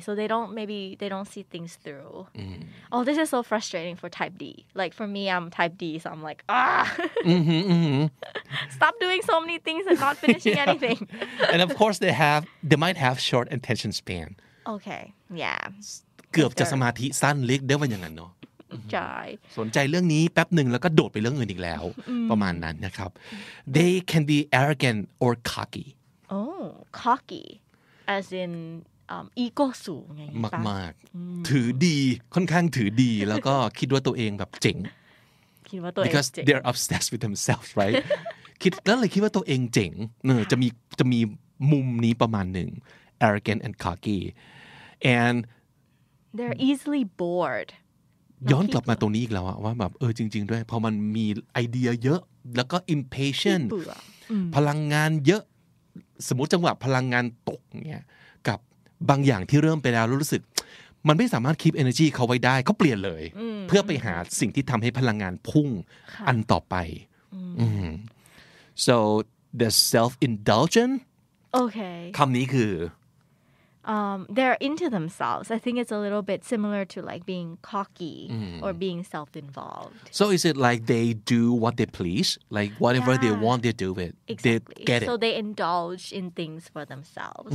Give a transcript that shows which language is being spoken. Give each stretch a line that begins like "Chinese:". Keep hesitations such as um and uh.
English: So they don't maybe they don't see things through. m m Oh, this is so frustrating for type D. Like for me, I'm type D, so I'm like, ah. Mm-hmm, mm-hmm. Stop doing so many things and not finishing anything. and of course they have they might have short attention span. Okay. Yeah.
Thai: เกือบจะสมาธิสั้นเล็กได้วันอย่างนั้นเนาะ ใช่ สนใจเรื่องนี้แป๊บหนึ่งแล้วก็โดดไปเรื่องอื่นอีกแล้วประมาณนั้นนะครับ
English: they can be arrogant or cocky oh cocky as in
Thai: อีโก้สูงไงมากมาก ถือดีค่อนข้างถือดีแล้วก็คิดว่าตัวเองแบบเจ๋ง คิดว่าตัวเองเจ๋ง
English: because they're obsessed with themselves right
Thai: คิดแล้วเลยคิดว่าตัวเองเจ๋งเนอจะมีจะมีมุมนี้ประมาณหนึ่ง
English: arrogant and cocky and they're easily bored
Thai: ย้อนกลับมาตรงนี้อีกแล้วว่าแบบเออจริง ๆด้วยพอมันมีไอเดียเยอะแล้วก็ impatient พลังงานเยอะสมมติจังหวะพลังงานตกเนี่ยบางอย่างที่เริ่มไปแล้วรู้สึก มันไม่สามารถคีบเอเนอร์จีเขาไว้ได้ เขาเปลี่ยนเลย เพื่อไปหาสิ่งที่ทำให้พลังงานพุ่งอันต่อไป
English: so the self indulgent
Thai: คำนี้คือ
English: Um, they're into themselves. I think it's a little bit similar to like being cocky mm -hmm. or being self involved. So is it like they do what they please? Like whatever yeah. they want, they do it. Exactly. They it. So they indulge in things for themselves.